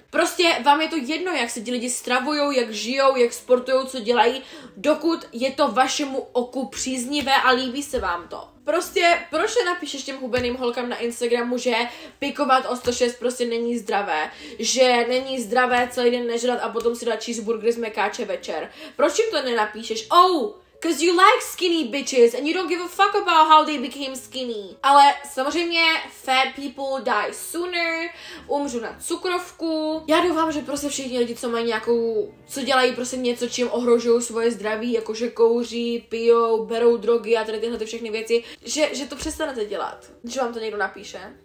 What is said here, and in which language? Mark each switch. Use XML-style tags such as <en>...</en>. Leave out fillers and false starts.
<cs>Prostě vám je to jedno, jak se ti lidi stravujou, jak žijou, jak sportujou, co dělají, dokud je to vašemu oku příznivé a líbí se vám to. Prostě proč napíšeš těm hubeným holkám na Instagramu, že pikovat o 106 prostě není zdravé, že není zdravé celý den nežrat a potom si dát cheeseburger z mekáče večer. Proč jim to nenapíšeš?</cs> <en>Oh, cause you like skinny bitches and you don't give a fuck about how they became skinny.</en> <cs>Ale samozřejmě</cs> <en>fat people die sooner,</en> <cs>umřu na cukrovku. Já doufám, že prostě všichni lidi, co mají nějakou, co dělají prostě něco, čím ohrožují svoje zdraví, jakože kouří, pijou, berou drogy a tady tyhle ty všechny věci, že to přestanete dělat, když vám to někdo napíše.</cs>